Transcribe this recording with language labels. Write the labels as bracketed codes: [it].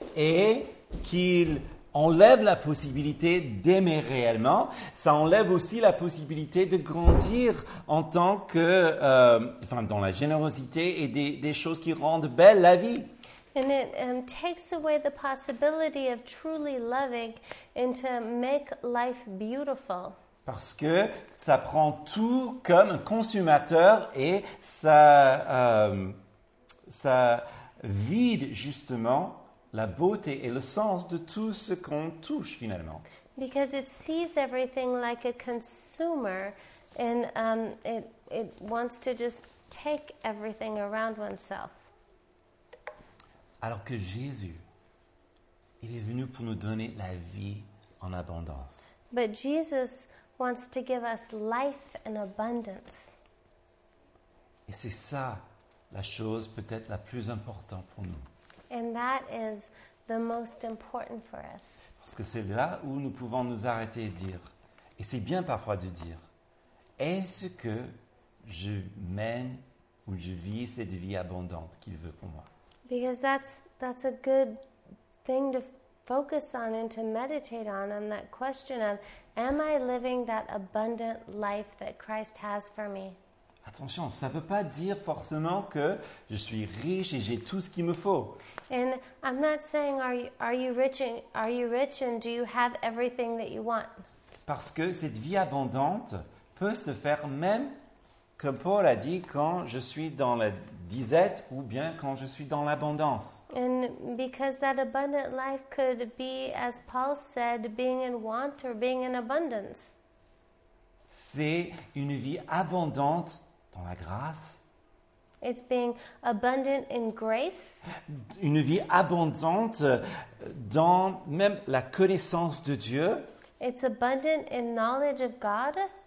[fr] Et qu'il enlève la possibilité d'aimer réellement, ça enlève aussi la possibilité de grandir en tant que, dans la générosité et des choses qui rendent belle la vie. [en] And it takes away the possibility of truly loving and to make life beautiful. [fr] Parce que ça prend tout comme un consommateur et ça, ça vide justement la beauté et le sens de tout ce qu'on touche finalement. [en] Because it sees everything like a consumer and it wants to just take everything around oneself. [fr] Alors que Jésus, il est venu pour nous donner la vie en abondance. [en] But Jesus wants to give us life in abundance. [fr] Et c'est ça la chose peut-être la plus importante pour nous. [en] And that is the most important for us. [fr] Parce que c'est là où nous pouvons nous arrêter et dire, et c'est bien parfois de dire, est-ce que je mène ou je vis cette vie abondante qu'il veut pour moi? [en] Because that's a good thing to focus on and to meditate on that question of, am I living that abundant life that Christ has for me? [fr] Attention, ça ne veut pas dire forcément que je suis riche et j'ai tout ce qu'il me faut. [en] And I'm not saying are you rich and do you have everything that you want? [fr] Parce que cette vie abondante peut se faire même, comme Paul a dit, quand je suis dans la disette ou bien quand je suis dans l'abondance. [en] And because that abundant life could be, as Paul said, being in want or being in abundance. [fr] C'est une vie abondante dans la grâce. [en] It's being abundant in grace. [fr] Une vie abondante dans même la connaissance de Dieu. [en] It's abundant in knowledge of God.